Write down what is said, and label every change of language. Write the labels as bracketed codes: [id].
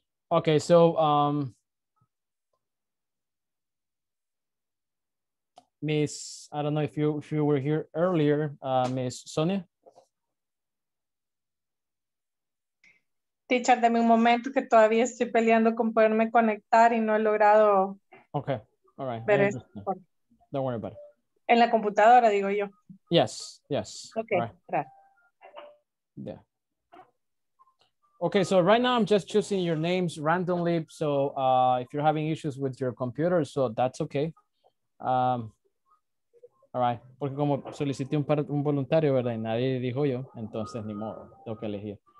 [en] Okay, so Miss, I don't know if you were here earlier, Miss Sonia. [es] Teacher, dame un momento que todavía estoy peleando con poderme conectar y no he logrado. [en] Okay, all right. [es] Ver eso. [en] Don't worry about it. [es] En la computadora, digo yo. [en] Yes, yes. Okay, right. Yeah. Okay, so right now I'm just choosing your names randomly. So if you're having issues with your computer, so that's okay. All right. [es] Porque como solicité un voluntario, ¿verdad? Y nadie dijo yo, entonces ni modo, tengo que elegir.